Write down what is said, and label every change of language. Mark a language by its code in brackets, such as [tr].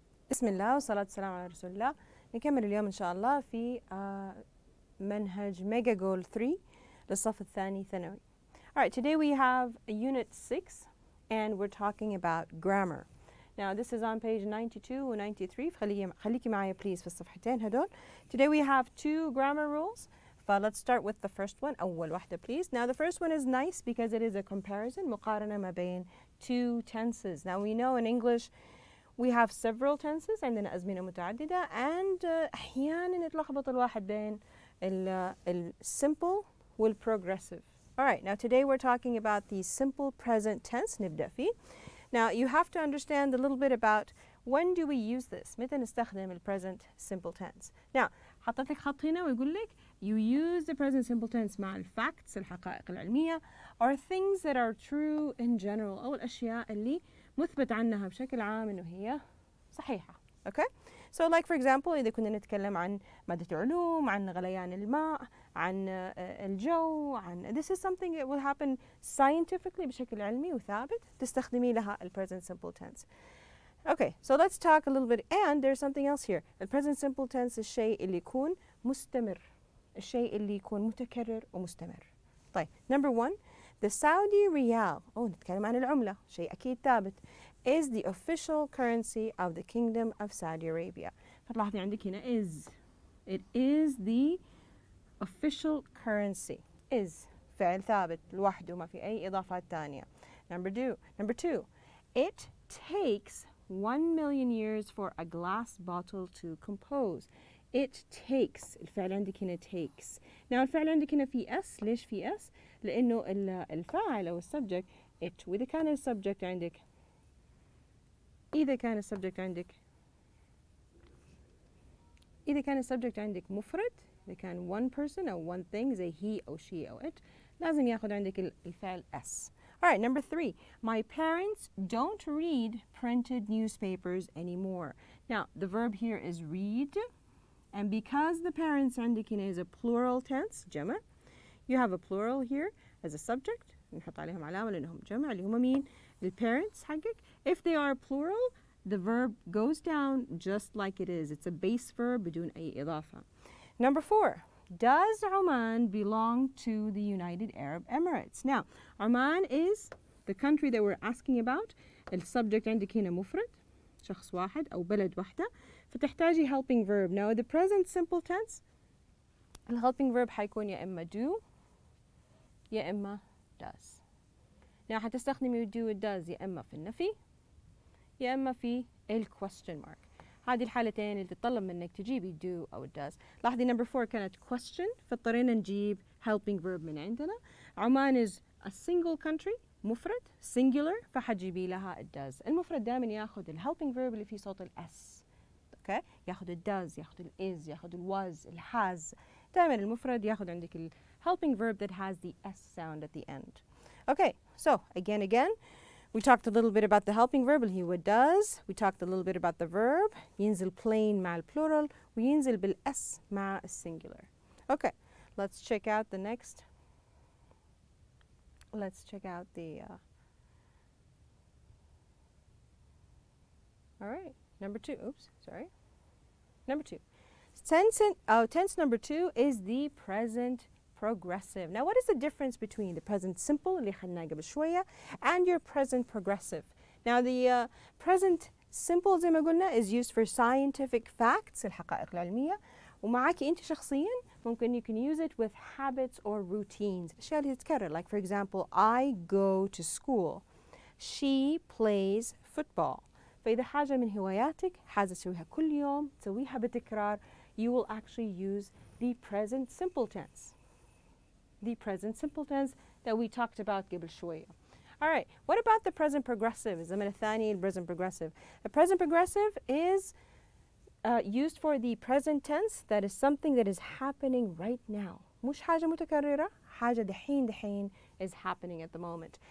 [ar] بسم الله والصلاة والسلام على رسول الله. نكمل اليوم إن شاء الله في منهج ميجا جول 3 للصف الثاني ثانوي. [en] Alright, today we have unit 6 and we're talking about grammar. Now this is on page 92 [ar] و93. خليكي معايا [en] please [ar] في الصفحتين هدول. [en] Today we have two grammar rules. Let's start with the first one. [ar] أول واحدة [en] please. Now the first one is nice because it is a comparison. [ar] مقارنة ما بين [en] two tenses. Now we know in English we have several tenses and then [ar] أزمنة متعددة and أحياناً يتلخبط الواحد بين ال simple وال [en] progressive. Alright, now today we're talking about the simple present tense [ar] نبدأ فيه. [en] Now you have to understand a little bit about when do we use this. [ar] متى نستخدم ال present simple tense. Now حطيت لك خط هنا ويقول لك [en] you use the present simple tense [ar] مع ال facts الحقائق العلمية [en] or things that are true in general [ar] أو الأشياء اللي مثبت عنها بشكل عام إنه هي صحيحة. Okay? [en] So like for example [ar] إذا كنا نتكلم عن مادة علوم عن غليان الماء عن الجو عن [en] this is something that will happen scientifically [ar] بشكل علمي وثابت تستخدمي لها ال present simple tense. [en] Okay, so let's talk a little bit and there's something else here. The present simple tense is [ar] الشيء اللي يكون مستمر الشيء اللي يكون متكرر ومستمر. طيب [en] number one the Saudi Riyal [ar] نتكلم عن العملة شيء أكيد ثابت [en] is the official currency of the kingdom of Saudi Arabia. [ar] فتلاحظي عندك هنا is [en] it is the official currency [ar] is فعل ثابت لوحده ما في أي إضافات تانية. [en] Number two it takes 1 million years for a glass bottle to compose. It takes [ar] الفعل عندك هنا [en] takes. [ar] Now الفعل عندك هنا في s ليش في s لأنه الفاعل أو subject it وإذا كان subject عندك إذا كان subject عندك مفرد إذا كان [en] one person [ar] أو [en] one thing [ar] زي he أو she أو it لازم يأخذ عندك الفعل s. [en] Alright, number three. My parents don't read printed newspapers anymore. Now, the verb here is read. And because the parents [ar] عندك هنا [en] is a plural tense, [ar] جمع, [en] you have a plural here as a subject. [ar] نحط عليهم علامة لأنهم جمع اللي هم مين؟ [en] The parents [ar] حقك. [en] If they are plural, the verb goes down just like it is. It's a base verb [ar] بدون أي إضافة. [en] Number four. Does Oman belong to the United Arab Emirates? Now, Oman is the country that we're asking about. The subject [ar] عندك هنا مفرد, شخص واحد أو بلد واحدة. فتحتاجي helping verb. [en] Now, the present simple tense, the helping verb [ar] حيكون يا إما do, يا إما does. Now, حتستخدمي [en] do and does [ar] يا إما في النفي, يا إما في ال question mark. هذه الحالتين اللي تطلب منك تجيبي do أو does. لاحظي [en] number four [ar] كانت question فاضطرينا نجيب helping verb من عندنا. عمان [en] is a single country [ar] مفرد singular فحجيبي لها does. المفرد دائما ياخذ ال helping verb اللي فيه صوت ال s. [en] Okay؟ [ar] ياخذ ال does ياخذ ال is ياخذ ال was ال has. دائما المفرد ياخذ عندك ال [en] helping verb that has the s sound at the end. Okay, so again. We talked a little bit about the helping verb, he would does. We talked a little bit about the verb. [ar] ينزل [en] plain مع plural. [ar] وينزل بالS مع singular. [en] Okay, let's check out the next. Let's check out the... Alright, number two. Oops, sorry. Number two. Tense number two is the present progressive. Now, what is the difference between the present simple [ar] اللي خلناه قبل شوية [en] and your present progressive? Now, the present simple زي ما قلنا is used for scientific facts [ar] الحقائق العلمية ومعك أنت شخصياً ممكن [en] you can use it with habits or routines. [ar] الأشياء اللي تتكرر. [en] Like for example, I go to school. She plays football. [ar] فإذا حاجة من هواياتك حاجة تسويها كل يوم تسويها بتكرار, [en] you will actually use the present simple tense. The present simple tense that we talked about [ar] قبل شوية. [en] Alright, what about the present progressive? [ar] الزمن الثاني, [en] the present progressive. The present progressive is used for the present tense that is something that is happening right now. [ar] مش حاجة متكررة, حاجة دحين [en] is happening at the moment.